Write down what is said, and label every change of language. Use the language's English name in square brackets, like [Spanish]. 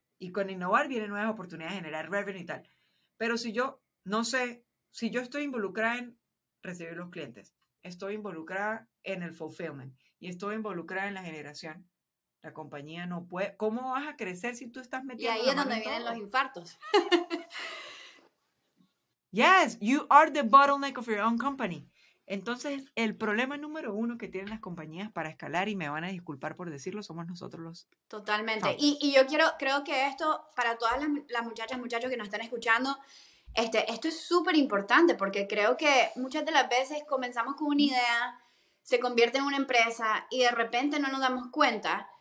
[Spanish] Y con innovar vienen nuevas oportunidades de generar revenue y tal. Pero si yo, no sé, si yo estoy involucrada en recibir los clientes, estoy involucrada en el fulfillment y estoy involucrada en la generación, la compañía no puede. ¿Cómo vas a crecer si tú estás metiendo? Y ahí es donde vienen los infartos. [English] Yes, you are the bottleneck of your own company. [Spanish] Entonces, el problema número uno que tienen las compañías para escalar, y me van a disculpar por decirlo, somos nosotros los... Totalmente. Y yo creo que esto, para todas las muchachas, muchachos que nos están escuchando, Esto es súper importante porque creo que muchas de las veces comenzamos con una idea, se convierte en una empresa y de repente no nos damos cuenta.